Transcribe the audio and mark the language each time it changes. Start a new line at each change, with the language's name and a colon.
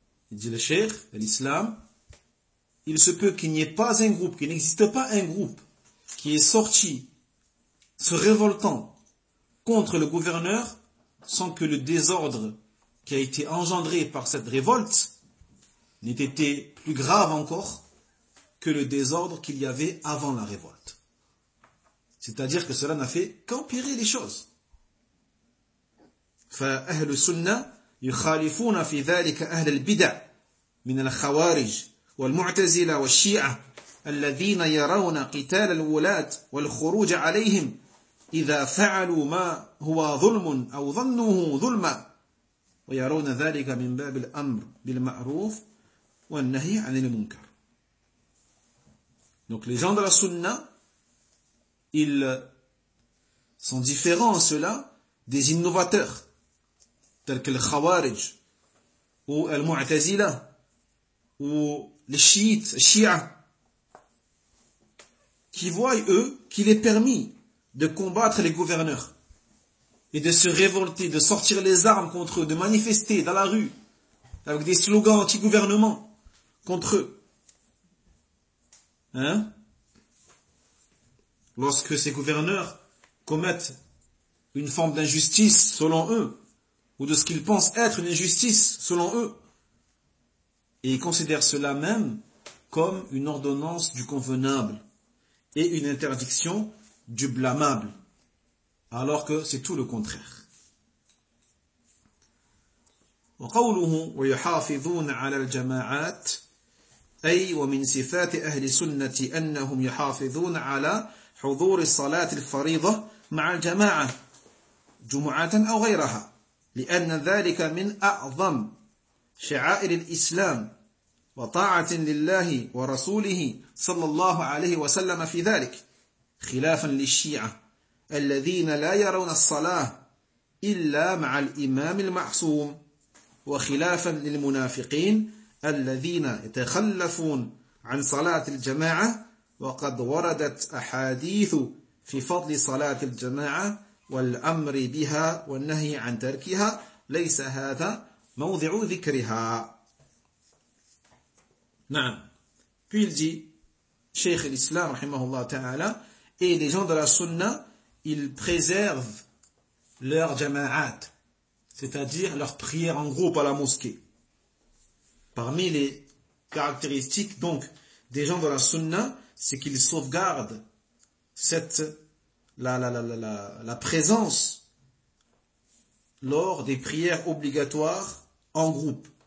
French: Il dit le cheikh, l'islam, il se peut qu'il n'y ait pas un groupe, qu'il n'existe pas un groupe qui est sorti se révoltant contre le gouverneur sans que le désordre qui a été engendré par cette révolte n'ait été plus grave encore que le désordre qu'il y avait avant la révolte. C'est-à-dire que cela n'a fait qu'empirer les choses.
Arabic: فأهل السنة يخالفون في ذلك أهل البدع من الخوارج والمعتزلة والشيعة الذين يرون قتال الولاة والخروج عليهم إذا فعلوا ما هو ظلم أو ظنوه ظلما ويرون ذلك من باب الأمر بالمعروف والنهي عن المنكر.
French: Donc les gens de la Sunna, ils sont différents ceux-là des innovateurs tels que le Khawarij, ou le Mu'tazila, ou les chiites, les Shia, qui voient, eux, qu'il est permis de combattre les gouverneurs, et de se révolter, de sortir les armes contre eux, de manifester dans la rue, avec des slogans anti-gouvernement, contre eux. Hein? Lorsque ces gouverneurs commettent une forme d'injustice, selon eux, ou de ce qu'ils pensent être une injustice, selon eux. Et ils considèrent cela même comme une ordonnance du convenable et une interdiction du blâmable. Alors que c'est tout le contraire.
Arabic: وقوله ويحافظون على الجماعات أي ومن صفات أهل السنة أنهم يحافظون على حضور الصلاة الفريضة مع الجماعة جمعة أو غيرها. لأن ذلك من أعظم شعائر الإسلام وطاعة لله ورسوله صلى الله عليه وسلم في ذلك خلافا للشيعة الذين لا يرون الصلاة إلا مع الإمام المعصوم وخلافا للمنافقين الذين يتخلفون عن صلاة الجماعة وقد وردت أحاديث في فضل صلاة الجماعة والأمر بها والنهي عن تركها ليس هذا موضع ذكرها. نعم.
French: Puis il dit, Cheikh l'Islam, rahimahullah ta'ala, et les gens de la Sunna, ils préservent leur jama'at, c'est-à-dire leur prière en groupe à la mosquée. Parmi les caractéristiques, donc, des gens de la Sunna, c'est qu'ils sauvegardent cette la présence lors des prières obligatoires en groupe.